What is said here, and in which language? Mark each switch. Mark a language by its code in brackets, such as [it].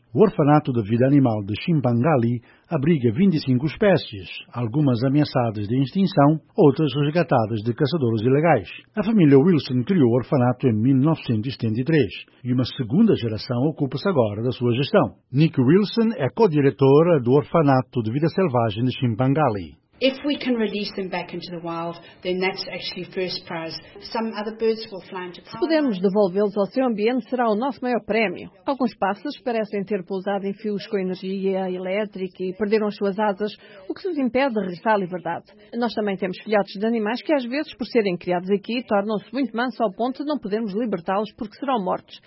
[pt] O Orfanato da Vida Animal de Chimpangali abriga 25 espécies, algumas ameaçadas de extinção, outras resgatadas de caçadores ilegais. A família Wilson criou o orfanato em 1973 e uma segunda geração ocupa-se agora da sua gestão. Nick Wilson é co-diretora do Orfanato de Vida Selvagem de Chimpangali. [en] If we can release them back into the wild, then that's actually first prize. Some other birds will fly into power. [pt] Se pudermos devolvê-los ao seu ambiente, será o nosso maior prémio. Alguns pássaros parecem ter pousado em fios com energia elétrica e perderam as suas asas, o que os impede de regressar à liberdade. Nós também temos filhotes de animais que, às vezes, por serem criados aqui, tornam-se muito mansos ao ponto de não podermos libertá-los porque serão mortos.